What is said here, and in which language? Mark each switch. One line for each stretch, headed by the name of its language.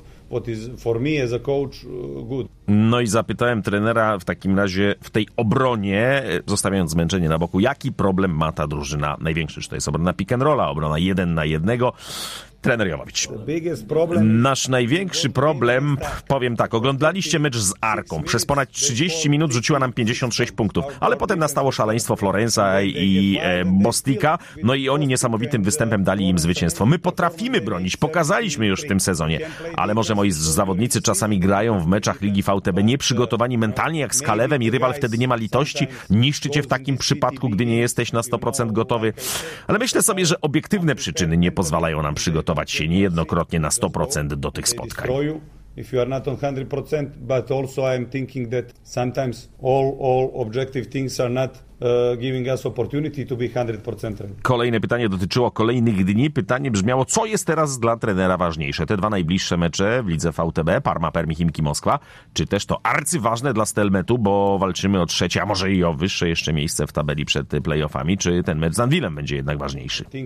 English: What is for me as a coach good.
Polish: No i zapytałem trenera w takim razie w tej obronie, zostawiając zmęczenie na boku, jaki problem ma ta drużyna największy? Czy to jest obrona pick and rolla, obrona jeden na jednego? trener Jovović. Nasz największy problem, powiem tak, oglądaliście mecz z Arką. Przez ponad 30 minut rzuciła nam 56 punktów, ale potem nastało szaleństwo Florenza i Bostika, no i oni niesamowitym występem dali im zwycięstwo. My potrafimy bronić, pokazaliśmy już w tym sezonie, ale może moi zawodnicy czasami grają w meczach Ligi VTB nieprzygotowani mentalnie jak z Kalewem i rywal wtedy nie ma litości, niszczy cię w takim przypadku, gdy nie jesteś na 100% gotowy. Ale myślę sobie, że obiektywne przyczyny nie pozwalają nam przygotować się niejednokrotnie na 100% do tych spotkań.
English: If you are not on 100%, but also I am thinking that sometimes all objective things are not giving us opportunity to be 100%.
Polish: Kolejne pytanie dotyczyło kolejnych dni. Pytanie brzmiało, co jest teraz dla trenera ważniejsze? Te dwa najbliższe mecze w lidze VTB, Parma, Permi, Chimki, Moskwa, czy też to arcyważne dla Stelmetu, bo walczymy o trzecie, a może i o wyższe jeszcze miejsce w tabeli przed playoffami, czy ten mecz z Anvilem będzie jednak ważniejszy?